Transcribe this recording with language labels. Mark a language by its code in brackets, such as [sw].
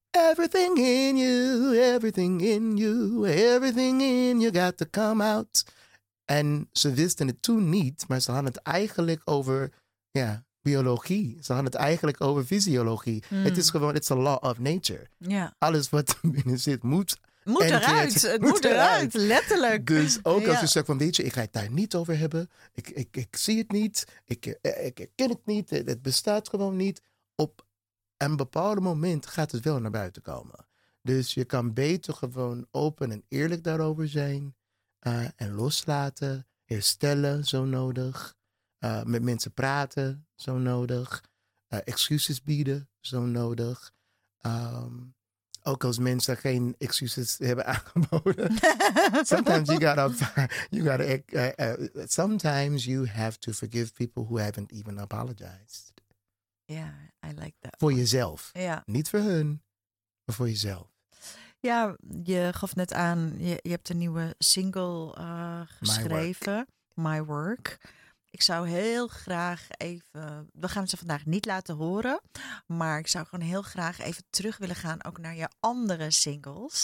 [en] Everything in you, everything in you, everything in you got to come out. [nl] En ze wisten het toen niet, maar ze hadden het eigenlijk over ja, biologie. Ze hadden het eigenlijk over fysiologie. [en] Mm. [nl] Het is gewoon, [en] it's a law of nature. Yeah. [nl] Alles wat er binnen zit moet. Het moet eruit, letterlijk. Dus ook als je zegt van, weet je, ik ga het daar niet over hebben. Ik zie het niet, ik herken het niet, het bestaat gewoon niet. Op een bepaald moment gaat het wel naar buiten komen. Dus je kan beter gewoon open en eerlijk daarover zijn. En loslaten, herstellen zo nodig. Met mensen praten zo nodig. Excuses bieden zo nodig. Ook als mensen geen excuses hebben aangeboden. [en] Sometimes you gotta, sometimes you have to forgive people who haven't even apologized. Yeah, I like that. [nl] Voor jezelf. [en] Yeah. [nl] Niet voor hun, maar voor jezelf. Ja, je gaf net aan, je hebt een nieuwe single geschreven. [en] My Work. [nl] Ik zou heel graag even, we gaan ze vandaag niet laten horen. Maar ik zou gewoon heel graag even terug willen gaan ook naar je andere singles.